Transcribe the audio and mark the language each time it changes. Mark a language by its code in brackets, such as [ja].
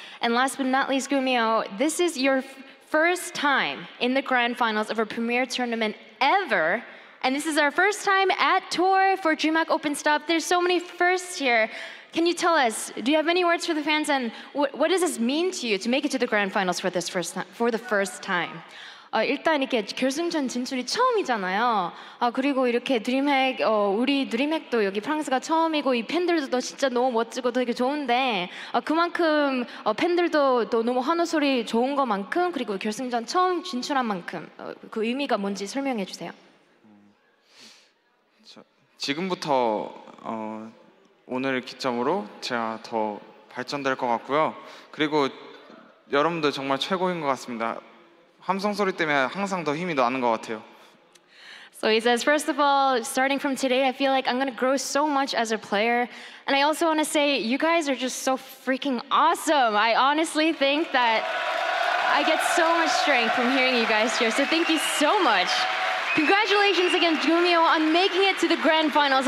[en] And last but not least, Gumio, this is your first time in the grand finals of a premier tournament ever. And this is our first time at Tor for DreamHack Open Stop. There's so many firsts here. Can you tell us, do you have any words for the fans? And what does this mean to you to make it to the grand finals for this first time, for the first time? [ko] 일단 이렇게 결승전 진출이 처음이잖아요. 그리고 이렇게 드림핵, 우리 드림핵도 여기 프랑스가 처음이고 이 팬들도 진짜 너무 멋지고 되게 좋은데 그만큼 팬들도 또 너무 환호 소리 좋은 것만큼 그리고 결승전 처음 진출한 만큼 그 의미가 뭔지 설명해 주세요. 지금부터 오늘 기점으로 제가 더 발전될 것 같고요. 그리고 여러분도 정말 최고인 것 같습니다. 함성 소리 때문에 항상 더 힘이 나는 것 같아요. [en] So he says, first of all, starting from today, I feel like I'm going to grow so much as a player. And I also want to say, you guys are just so freaking awesome. I honestly think that I get so much strength from hearing you guys here. So thank you so much. Congratulations again, Gumio, on making it to the grand finals.